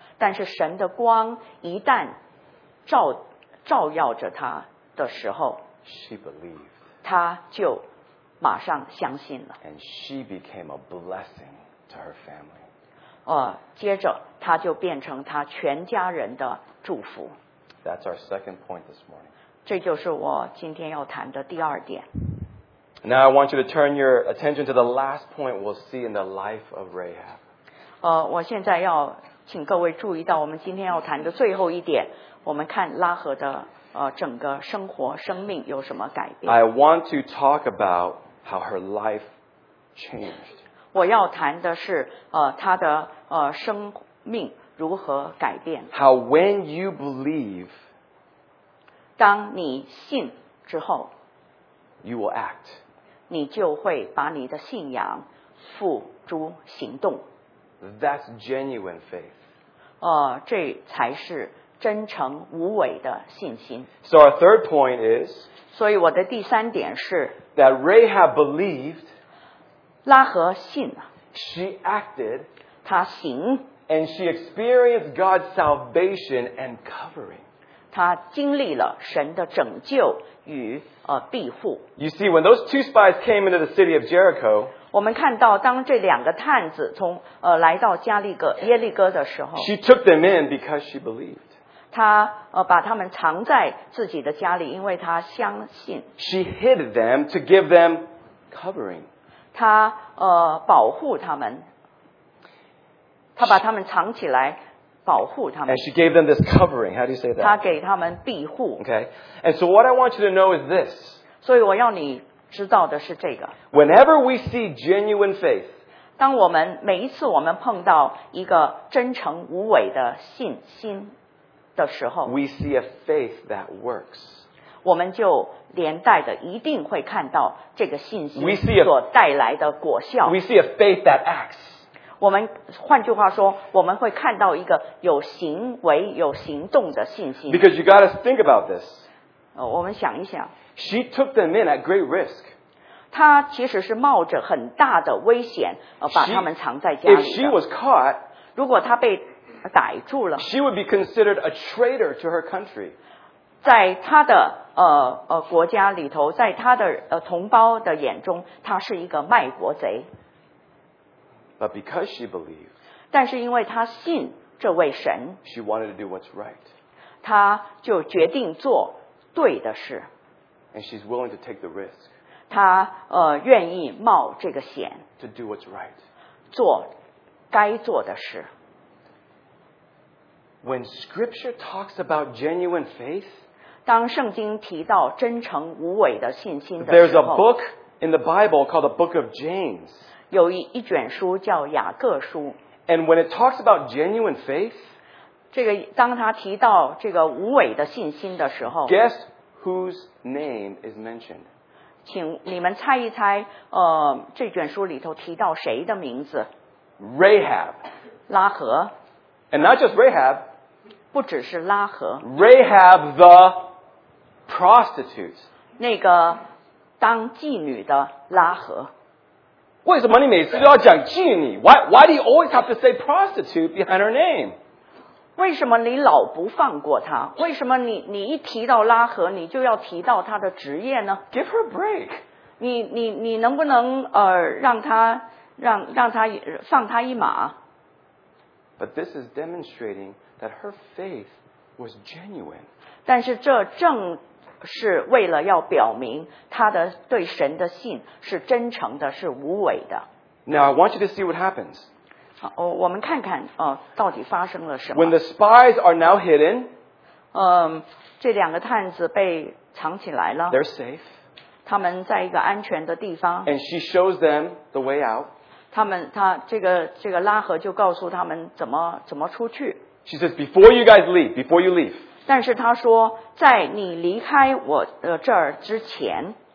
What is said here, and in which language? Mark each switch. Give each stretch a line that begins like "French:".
Chinese: 但是神的光一旦照耀着她的时候
English: she believed.
Chinese: 她就马上相信了。
English: And she became a blessing to her family.
Chinese: 接着她就变成她全家人的祝福。
English: That's our second point this morning.
Chinese: 这就是我今天要谈的第二点。
English: Now I want you to turn your attention to the last point we'll see in the life of Rahab.
Chinese: 我现在要请各位注意到我们今天要谈的最后一点，我们看拉合的整个生活生命有什么改变。
English: I want to talk about how her life changed.
Chinese: 我要谈的是她的生命如何改变。
English: How when you believe,
Chinese: 当你信之后
English: you will act.
Chinese: 你就会把你的信仰付诸行动。
English: That's genuine faith.
Chinese: 这才是真诚无伪的信心。
English: So our third point is,
Chinese: 所以我的第三点是
English: that Rahab believed,
Chinese: 拉合信了
English: she acted,
Chinese: 她行
English: and she experienced God's salvation and covering.
Chinese: 她经历了神的拯救与庇护。
English: You see, when those two spies came into the city of Jericho,
Chinese: 我们看到当这两个探子从来到加利哥耶利哥的时候
English: she took them in because she believed.
Chinese: 她把他们藏在自己的家里，因为她相信。
English: She hid them to give them covering.
Chinese: 她保护他们。她把他们藏起来，保护他们。
English: And she gave them this covering. How do you say that?
Chinese: 她给他们庇护。
English: Okay. And so what I want you to know is this.
Chinese: 所以我要你知道的是这个。
English: Whenever we see genuine faith,
Chinese: 当我们每一次我们碰到一个真诚无伪的信心。
English: We see a faith that works.
Chinese: 我们就连带的一定会看到这个信心所带来的果效。
English: We see a faith that acts.
Chinese: 我们换句话说，我们会看到一个有行为、有行动的信心。
English: Because you got to think about this.
Chinese: 我们想一想。
English: She took them in at great risk.
Chinese: 她其实是冒着很大的危险，把他们藏在家里。
English: If she was caught,
Chinese: 如果她被逮住了
English: She would be considered a traitor to her country.
Chinese: 在她的国家里头，在她的同胞的眼中，她是一个卖国贼。
English: But because she believed,
Chinese: 但是因为她信这位神
English: she wanted to do what's right.
Chinese: 她就决定做对的事。
English: And she's willing to take the risk.
Chinese: 她愿意冒这个险
English: to do what's right.
Chinese: 做该做的事。
English: When Scripture talks about genuine faith,
Chinese: 当圣经提到真诚无伪的信心的时
English: 候 there's a book in the Bible called the Book of James.
Chinese: 有一卷书叫雅各书
English: And when it talks about genuine faith,
Chinese: 这个当他提到这个无伪的信心的时候
English: guess whose name is mentioned?
Chinese: 请你们猜一猜，这卷书里头提到谁的名字
English: Rahab.
Chinese: 拉合
English: And not just Rahab.
Chinese: 不只是拉合。
English: Rahab the prostitute.
Chinese: 那个当妓女的拉合。为什么你每次都要讲妓女？
English: Why do you always have to say prostitute behind her name?
Chinese: 为什么你老不放过她？为什么你一提到拉合，你就要提到她的职业呢？
English: Give her a break.
Chinese: 你能不能让她放她一马？
English: But this is demonstrating that her faith was genuine.
Chinese: 但是这正是为了要表明她的对神的信是真诚的，是无伪的。
English: Now I want you to see what happens.
Chinese: 我们看看到底发生了什么。
English: When the spies are now hidden,
Chinese: 这两个探子被藏起来了。
English: They're safe.
Chinese: 他们在一个安全的地方。
English: And she shows them the way out.
Chinese: 这个拉合就告诉他们怎么出去。
English: She says, before you guys leave, before you leave.
Chinese: 但是他说在你离开我这儿之前。